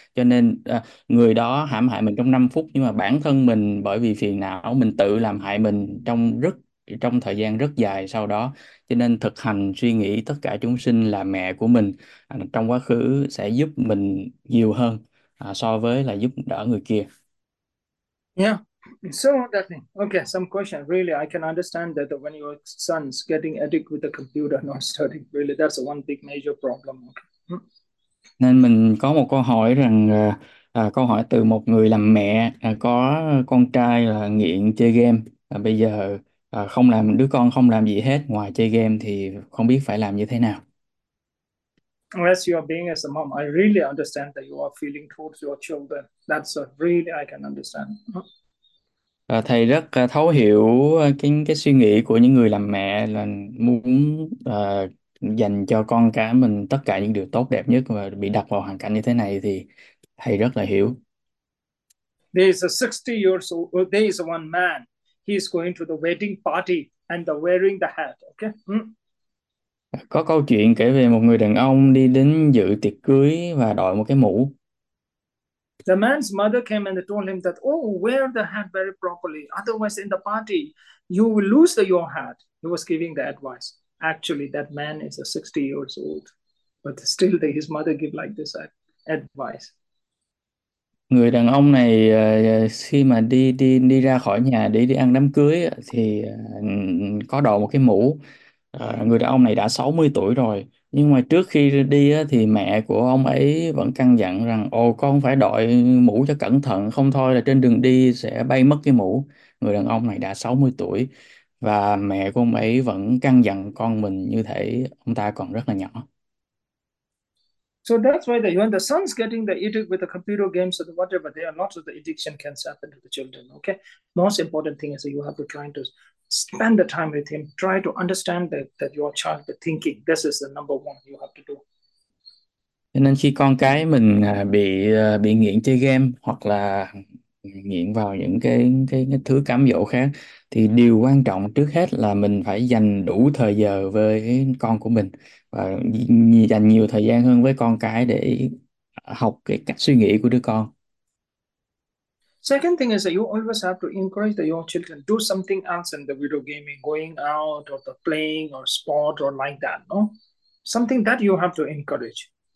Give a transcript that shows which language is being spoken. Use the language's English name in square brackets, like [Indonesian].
[Vietnamese] Cho nên người đó hãm hại mình trong 5 phút, nhưng mà bản thân mình bởi vì phiền não mình tự làm hại mình trong thời gian rất dài sau đó. Cho nên thực hành suy nghĩ tất cả chúng sinh là mẹ của mình trong quá khứ sẽ giúp mình nhiều hơn so với là giúp đỡ người kia. [English] Yeah, so that thing. Okay, some question. Really, I can understand that when your son's getting addicted with the computer, not studying, really, that's one big major problem. Okay. [Vietnamese] Nên mình có một câu hỏi rằng câu hỏi từ một người làm mẹ có con trai là nghiện chơi game, bây giờ không làm, đứa con không làm gì hết ngoài chơi game thì không biết phải làm như thế nào. [English] Unless you are being as a mom, I really understand that you are feeling towards your children. That's a really I can understand. [Vietnamese] Thầy rất thấu hiểu cái suy nghĩ của những người làm mẹ là muốn dành cho con cái mình tất cả những điều tốt đẹp nhất, và bị đặt vào hoàn cảnh như thế này thì thầy rất là hiểu. [English] There is a 60 years old, there is one man. He is going to the wedding party and the wearing the hat. Okay. [Vietnamese] Có câu chuyện kể về một người đàn ông đi đến dự tiệc cưới và đội một cái mũ. [English] The man's mother came and told him that, oh, wear the hat very properly. Otherwise, in the party, you will lose your hat. He was giving the advice. Actually, that man is 60 years old. But still, his mother gave like this advice. [Vietnamese] Người đàn ông này khi mà đi đi đi ra khỏi nhà để đi ăn đám cưới thì có đội một cái mũ. Người đàn ông này đã 60 tuổi rồi, nhưng mà trước khi đi thì mẹ của ông ấy vẫn căn dặn rằng ồ con phải đội mũ cho cẩn thận, không thôi là trên đường đi sẽ bay mất cái mũ. Người đàn ông này đã 60 tuổi và mẹ của ông ấy vẫn căn dặn con mình như thể ông ta còn rất là nhỏ. [English] So that's why when the son's getting the addicted with the computer games or whatever, there are lots of the addiction can happen to the children. Okay, most important thing is that you have to try to spend the time with him, try to understand that your child is thinking. This is the number one you have to do. [Vietnamese] Cho nên khi con cái mình bị nghiện chơi game hoặc là nghiện vào những cái thứ cám dỗ khác thì điều quan trọng trước hết là mình phải dành đủ thời giờ với con của mình và dành nhiều thời gian hơn với con cái để học cái cách suy nghĩ của đứa con. [English] Second thing is that you always have to encourage that your children do something else than the video gaming, going out or the playing or sport or like that, no? Something that you have to encourage.